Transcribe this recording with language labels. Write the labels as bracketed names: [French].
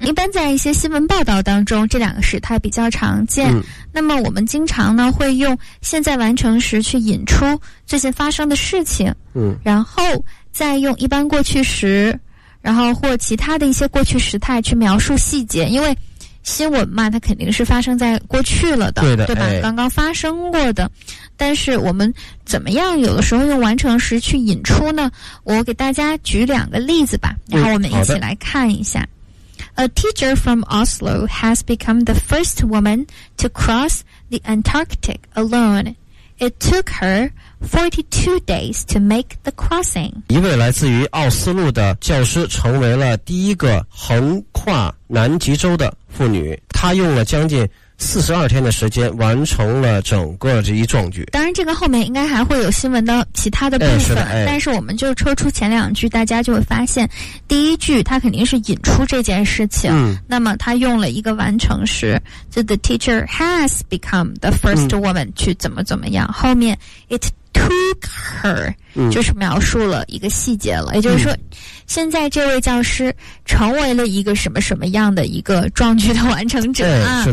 [Chinese] 一般在一些新闻报道当中这两个时态比较常见，那么我们经常呢会用现在完成时去引出最近发生的事情，然后再用一般过去时然后或其他的一些过去时态去描述细节，因为新闻嘛它肯定是发生在过去了的。对的，对吧，哎，刚刚发生过的。但是我们怎么样有的时候用完成时去引出呢？我给大家举两个例子吧，然后我们一起来看一下。 [English] A teacher from Oslo has become the first woman to cross the Antarctic alone. It took her 42 days to make the crossing. [Chinese] 一位来自于奥斯陆的教师成为了第一个横跨南极洲的妇女，她用了将近42天的时间完成了整个这一壮举。当然这个后面应该还会有新闻的其他的部分，但是我们就抽出前两句，大家就会发现第一句他肯定是引出这件事情，那么他用了一个完成时，就 [English] the teacher has become the first woman [Chinese] 去怎么怎么样，后面 [English] it took her [Chinese] 就是描述了一个细节了，也就是说现在这位教师成为了一个什么什么样的一个壮举的完成者啊，